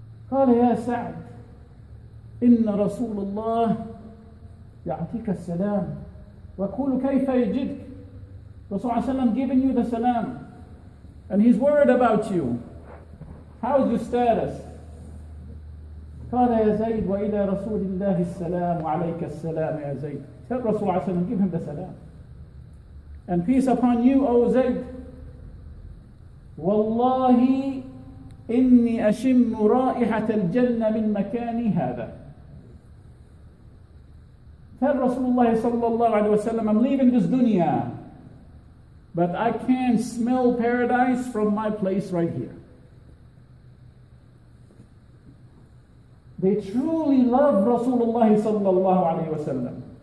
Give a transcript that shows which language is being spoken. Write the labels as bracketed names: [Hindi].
[Arabic] Qala ya Sa'd, inna Rasulullah ya'tika as-salam. وَكُولُ كَيْفَ يَجِدْكَ, [English] Rasulullah صلى الله عليه وسلم giving you the salam, and he's worried about you. How is your status? [Arabic] قال يا زيد وإلى رسول الله السلام وعليك السلام يا زيد. [English] Tell Rasul عليه السلام, give him the salam. And peace upon you, O Zayd. [Arabic] والله إني أشم رائحة الجنة من مكاني هذا. [English] Tell رسول الله صلى الله عليه وسلم, I'm leaving this dunya, but I can smell paradise from my place right here. They truly love Rasulullah sallallahu alayhi wa sallam.